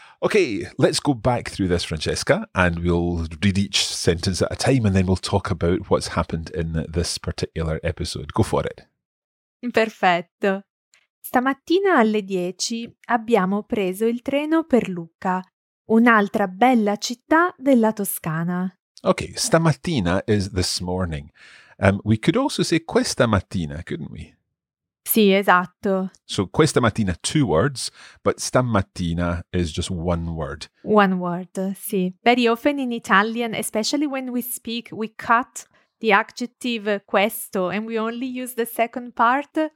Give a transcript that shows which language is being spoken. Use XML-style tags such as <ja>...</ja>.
<en>Okay, let's go back through this, Francesca, and we'll read each sentence at a time, and then we'll talk about what's happened in this particular episode. Go for it.</en> <it>Perfetto. Stamattina alle 10 abbiamo preso il treno per Lucca, un'altra bella città della Toscana.</it> <en>Okay, stamattina is this morning. We could also say questa mattina, couldn't we?</en> <it>Sì, esatto.</it> <en>So questa mattina, two words, but stamattina is just one word. One word, sì. Very often in Italian, especially when we speak, we cut the adjective questo and we only use the second part.</en>